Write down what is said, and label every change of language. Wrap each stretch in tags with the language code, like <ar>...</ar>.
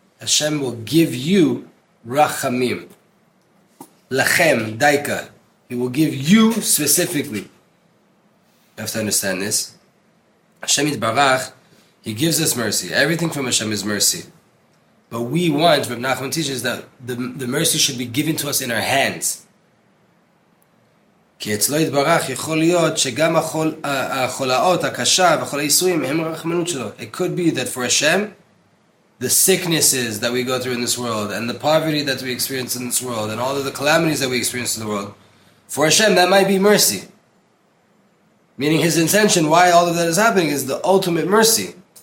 <en>Hashem will give you Rachamim.</en> <he>Lachem, Daika.</he> <en>He will give you specifically. You have to understand this. Hashem Yitbarach, He gives us mercy. Everything from Hashem is mercy. But we want, Rabbi Nachman teaches, that the mercy should be given to us in our hands.</en> <he>כי אצלו יתברך יכול להיות שגם החולאות, הקשה וכל היסויים הם הרחמנות שלו.</he> <en>It could be that for Hashem, the sicknesses that we go through in this world, and the poverty that we experience in this world, and all of the calamities that we experience in the world, for Hashem that might be mercy. Meaning His intention, why all of that is happening, is the ultimate mercy.</en>